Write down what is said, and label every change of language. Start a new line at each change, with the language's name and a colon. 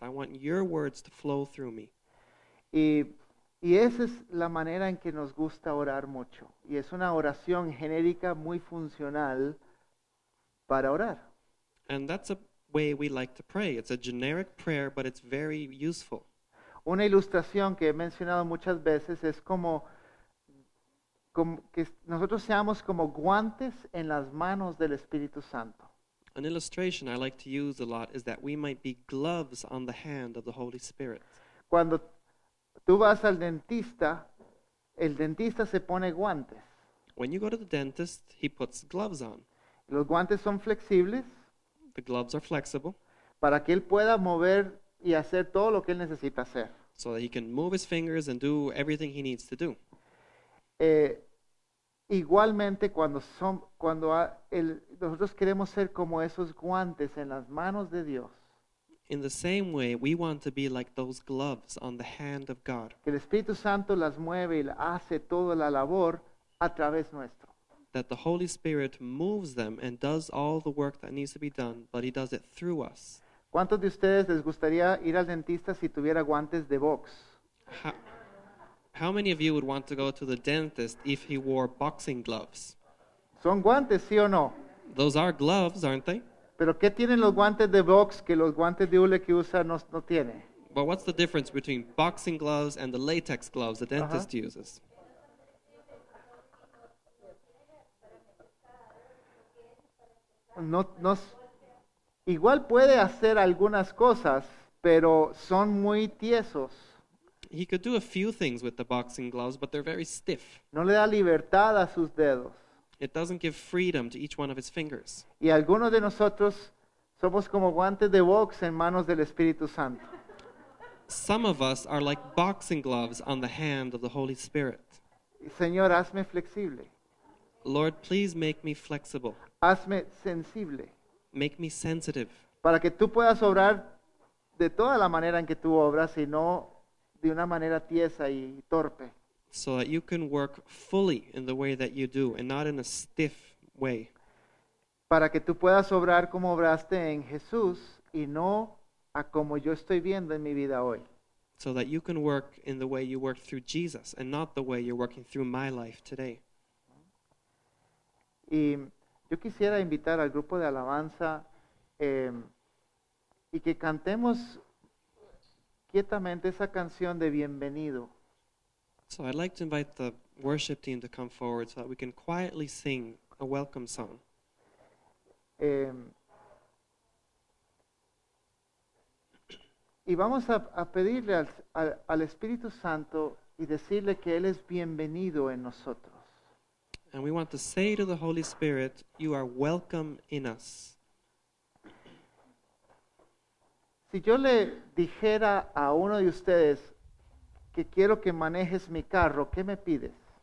English: I want your words to flow through me.
Spanish: Y esa es la manera en que nos gusta orar mucho. Y es una oración genérica muy funcional para orar.
English: And that's a way we like to pray. It's a generic prayer, but it's very useful.
Spanish: Una ilustración que he mencionado muchas veces es como que nosotros seamos como guantes en las manos del Espíritu Santo.
English: An illustration I like to use a lot is that we might be gloves on the hand of the Holy Spirit.
Spanish: Cuando tú vas al dentista, el dentista se pone guantes.
English: When you go to the dentist, he puts gloves on.
Spanish: Los guantes son flexibles.
English: The gloves are flexible.
Spanish: Para que él pueda mover y hacer todo lo que él necesita hacer.
English: So that he can move his fingers and do everything he needs to do.
Spanish: Igualmente, nosotros queremos ser como esos guantes en las manos de Dios.
English: In the same way, we want to be like those gloves on the hand of God.
Spanish: Que el Espíritu Santo las mueve y hace toda la labor a través nuestro.
English: That the Holy Spirit moves them and does all the work that needs to be done, but he does it through us.
Spanish: ¿Cuántos de ustedes les gustaría ir al dentista si tuviera guantes de box?
English: How many of you would want to go to the dentist if he wore boxing gloves?
Spanish: ¿Son guantes, sí o no?
English: Those are gloves, aren't they?
Spanish: ¿Pero qué tienen los guantes de box que los guantes de hule que usa no tiene?
English: But what's the difference between boxing gloves and the latex gloves the dentist uses?
Spanish: No, igual puede hacer algunas cosas, pero son muy tiesos.
English: He could do a few things with the boxing gloves, but they're very stiff.
Spanish: No le da libertad a sus dedos.
English: It doesn't give freedom to each one of his fingers.
Spanish: Y algunos de nosotros somos como guantes de box en manos del Espíritu Santo.
English: Some of us are like boxing gloves on the hand of the Holy Spirit.
Spanish: Señor, hazme flexible.
English: Lord, please make me flexible.
Spanish: Hazme sensible.
English: Make me sensitive.
Spanish: Para que tú puedas obrar de toda la manera en que tú obras y no de una manera tiesa y torpe.
English: So that you can work fully in the way that you do and not in a stiff way.
Spanish: Para que tú puedas obrar como obraste en Jesús y no a como yo estoy viendo en mi vida hoy.
English: So that you can work in the way you worked through Jesus and not the way you're working through my life today.
Spanish: Y yo quisiera invitar al grupo de alabanza y que cantemos quietamente esa canción de bienvenido.
English: So I'd like to invite the worship team to come forward so that we can quietly sing a welcome song.
Spanish: Y vamos a pedirle al Espíritu Santo y decirle que Él es bienvenido en nosotros.
English: And we want to say to the Holy Spirit, you are welcome in us.
Spanish: Si yo le dijera a uno de ustedes que quiero que manejes mi carro, ¿qué me pides?